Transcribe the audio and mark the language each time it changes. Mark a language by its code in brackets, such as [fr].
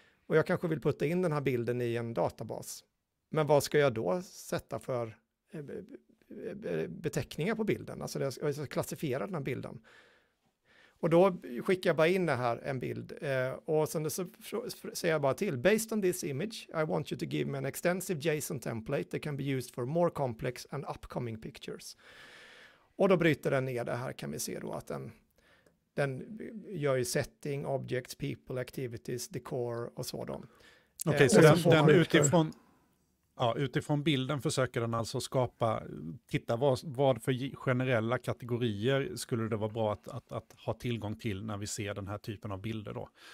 [sv] Och jag kanske vill putta in den här bilden i en databas. Men vad ska jag då sätta för beteckningar på bilden? Alltså jag ska klassificera den här bilden. Och då skickar jag bara in det här, en bild. Och sen så säger jag bara till. [en] Based on this image, I want you to give me an extensive JSON template that can be used for more complex and upcoming pictures. [sv] Och då bryter den ner det här, kan vi se då att den gör ju [en] setting, objects, people, activities, decor [sv] och sådant. Okej, okay, så den utifrån, ja, utifrån bilden försöker den alltså skapa, titta vad för generella kategorier skulle det vara bra att ha tillgång till när vi ser den här typen av bilder då.